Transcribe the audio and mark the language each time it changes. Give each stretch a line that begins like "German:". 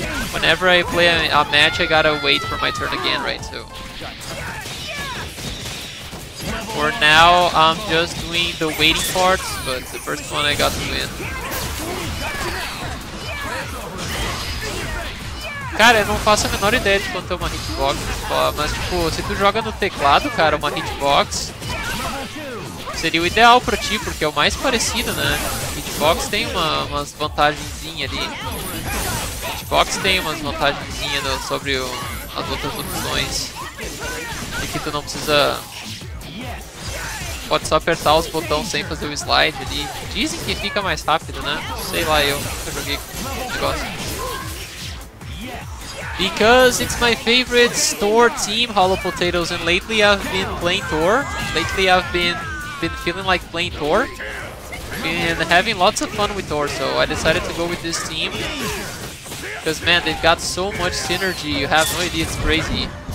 English: Whenever I play a match, I gotta wait for my turn again, right? So, for now, I'm just doing the waiting part, but the first one I got to win.
Portuguese: Cara, eu não faço a menor ideia de quanto é uma hitbox, mas tipo, se tu joga no teclado, cara, uma hitbox... Seria o ideal pra ti, porque é o mais parecido, né? Hitbox tem umas vantagenzinhas ali. Hitbox tem umas vantagenzinhas sobre as outras opções. E que tu não precisa... Pode só apertar os botões sem fazer o slide ali. Dizem que fica mais rápido, né? Sei lá, eu nunca joguei com esse negócio.
English: Because it's my favorite Thor team, Hollow Potatoes, and lately I've been playing Thor. Lately I've been feeling like playing Thor and having lots of fun with Thor, so I decided to go with this team because man, they've got so much synergy, you have no idea, it's crazy.